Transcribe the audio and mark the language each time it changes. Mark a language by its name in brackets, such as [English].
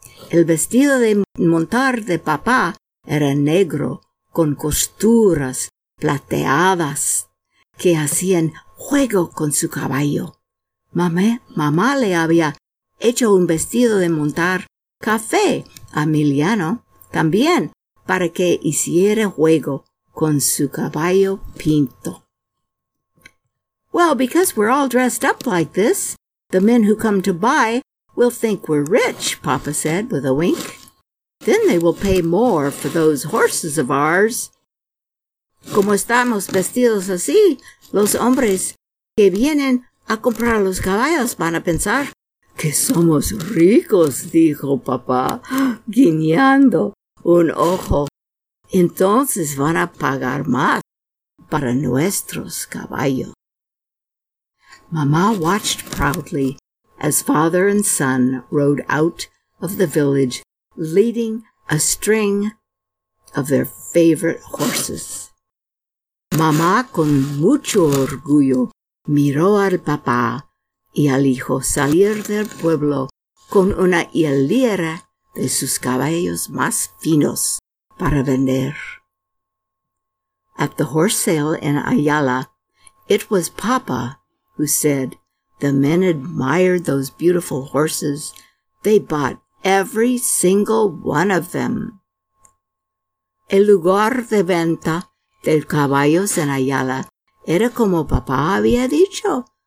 [Spanish] El vestido de montar de papá era negro con costuras plateadas que hacían juego con su caballo. Mamá le había hecho un vestido de montar café a Emiliano también para que hiciera juego con su caballo pinto. [English] Well, because we're all dressed up like this, the men who come to buy will think we're rich, Papa said with a wink. Then they will pay more for those horses of ours. [Spanish] Como estamos vestidos así, los hombres que vienen a comprar los caballos van a pensar que somos ricos, dijo papá, guiñando un ojo. Entonces van a pagar más para nuestros caballos. [English] Mamá watched proudly as father and son rode out of the village, leading a string of their favorite horses. [Spanish] Mamá, con mucho orgullo, miró al papá y al hijo salir del pueblo con una hilera de sus caballos más finos para vender. [English] At the horse sale in Ayala, it was Papa who said the men admired those beautiful horses. They bought every single one of them. [Spanish] El lugar de venta de caballos en Ayala era como Papa había dicho.